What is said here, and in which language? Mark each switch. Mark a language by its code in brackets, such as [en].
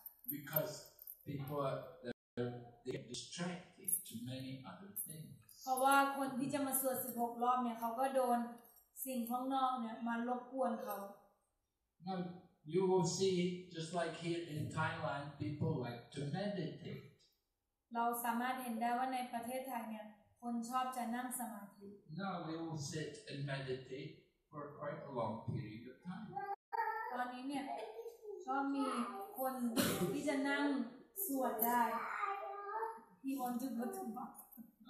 [en] Because people they get distracted to many other things. Because people who want to chant 16 rounds, they get distracted [th] สิ่งข้างนอกเนี่ยมันรบกวนเขา [en] Now you will see just like here in Thailand people like to meditate [th] เราสามารถเห็นได้ว่าในประเทศไทยเนี่ยคนชอบจะนั่งสมาธิ [en] Now we will sit and meditate for quite a long period of time [th] ตอนนี้เนี่ยก็มีคนที่จะนั่งสวดได้ [en] He want to go to bathroom